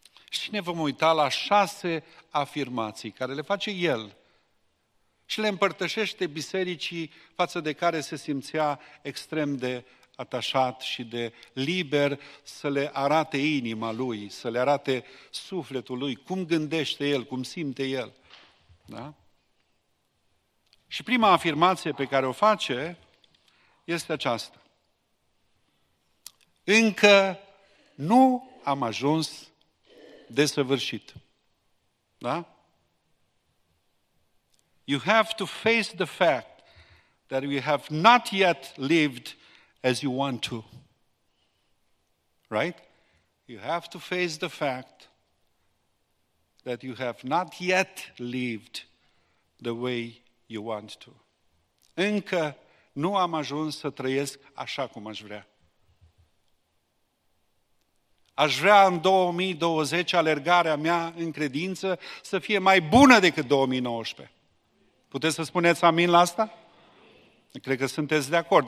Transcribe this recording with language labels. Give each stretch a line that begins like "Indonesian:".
Romanian: Și ne vom uita la 6 afirmații care le face el și le împărtășește bisericii față de care se simțea extrem de atașat și de liber să le arate inima lui, să le arate sufletul lui, cum gândește el, cum simte el. Da? Și prima afirmație pe care o face este aceasta. Încă nu am ajuns desăvârșit. Da?
English: You have to face the fact that you have not yet lived as you want to. Right? You have to face the fact that you have not yet lived the way you want to.
Romanian: Încă nu am ajuns să trăiesc așa cum aș vrea. Aș vrea în 2020 alergarea mea în credință să fie mai bună decât 2019. Puteți să spuneți amin la asta? Cred că sunteți de acord.